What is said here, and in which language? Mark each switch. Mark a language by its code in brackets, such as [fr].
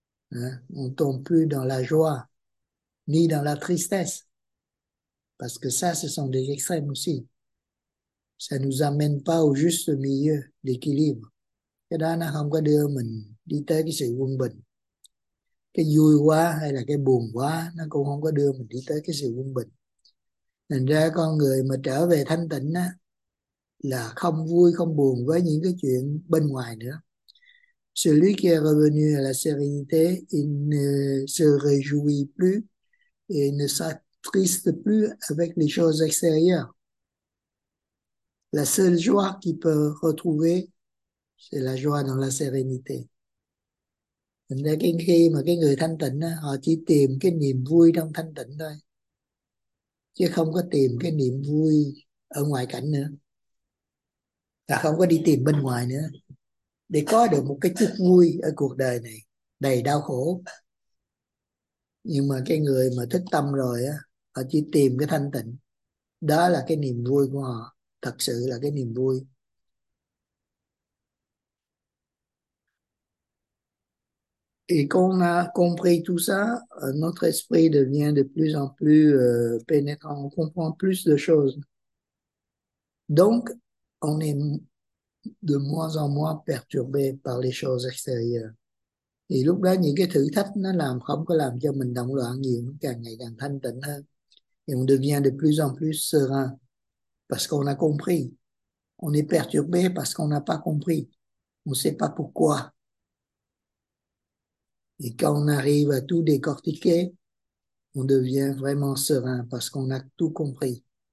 [vi] Đó. [fr] On tombe plus dans la joie, ni dans la tristesse. Parce que ça, ce sont des extrêmes aussi. Ça ne nous amène pas au juste milieu, l'équilibre. [vi] Cái đó nó không có đưa mình đi tới cái sự quân bình. Cái vui quá hay là cái buồn quá, nó cũng không có đưa mình đi tới cái sự quân bình. Thành ra con người mà trở về thanh tịnh á, là không vui, không buồn với những cái chuyện bên ngoài nữa. Celui qui est revenu à la sérénité, il ne se réjouit plus, il ne s'attriste plus avec les choses extérieures. La seule joie qu'il peut retrouver, c'est la joie dans la sérénité. Thành ra khi mà cái người thanh tịnh, họ chỉ tìm cái niềm vui trong thanh tịnh thôi, chứ không có tìm cái niềm vui ở ngoại cảnh nữa. Và không có đi tìm bên ngoài nữa. Để có được một cái chút vui ở cuộc đời này, đầy đau khổ. Nhưng mà cái người mà thức tâm rồi, họ chỉ tìm cái thanh tịnh. Đó là cái niềm vui của họ. Thật sự là cái niềm vui. [fr] Et qu'on a compris tout ça, notre esprit devient de plus en plus pénétrant, on comprend plus de choses. Donc, on est de moins en moins perturbé par les choses extérieures. [vi] Et lúc đó, những cái thử thách nó làm không có làm cho mình động loạn nhiều, càng ngày càng thanh tịnh hơn. [fr] Et on devient de plus en plus serein. Parce qu'on a compris. On est perturbé parce qu'on n'a pas compris. On ne sait pas pourquoi. Et quand on arrive à tout décortiquer, on devient vraiment serein parce qu'on a tout compris.